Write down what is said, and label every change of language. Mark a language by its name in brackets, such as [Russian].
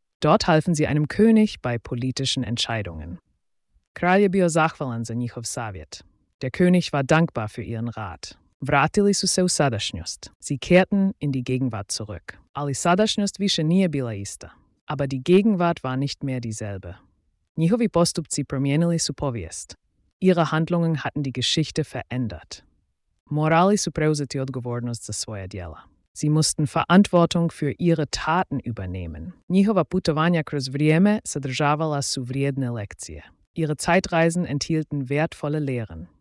[German] Dort halfen sie einem König bei politischen Entscheidungen. [Croatian] Kralj je bio zahvalan za njihov savjet. [German] Der König war dankbar für ihren Rat. [Croatian] Vratili su se u sadašnjost. [German] Sie kehrten in die Gegenwart zurück. [Croatian] Ali sadašnjost više nije bila ista. [German] Aber die Gegenwart war nicht mehr dieselbe. [Croatian] Njihovi postupci promijenili su povijest. [German] Ihre Handlungen hatten die Geschichte verändert. [Croatian] Morali su preuzeti odgovornost za svoje djela. [German] Sie mussten Verantwortung für ihre Taten übernehmen. [Croatian] Njihova putovanja kroz vrijeme sadržavala su vrijedne lekcije. [German] Ihre Zeitreisen enthielten wertvolle Lehren.